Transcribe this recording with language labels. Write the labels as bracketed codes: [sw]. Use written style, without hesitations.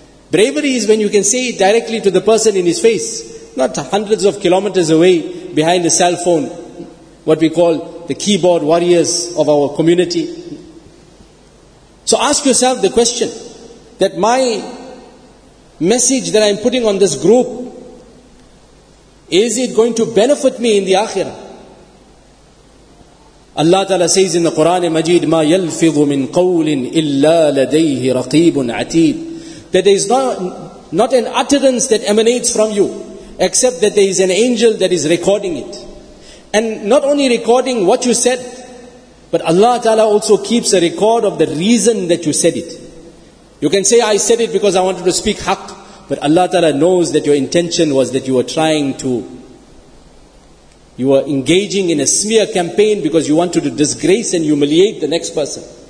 [en] Bravery is when you can say it directly to the person in his face, not hundreds of kilometers away behind a cell phone, what we call the keyboard warriors of our community. So ask yourself the question, that my message that I'm putting on this group, is it going to benefit me in the Akhirah? Allah Ta'ala says in the Quran Majid, [ar] مَا يَلْفِظُ مِنْ قَوْلٍ إِلَّا لَدَيْهِ رَقِيبٌ عَتِيدٌ. [en] That there is not an utterance that emanates from you, except that there is an angel that is recording it. And not only recording what you said, but Allah Ta'ala also keeps a record of the reason that you said it. You can say, I said it because I wanted to speak haqq. But Allah Ta'ala knows that your intention was that you were trying to, you were engaging in a smear campaign because you wanted to disgrace and humiliate the next person.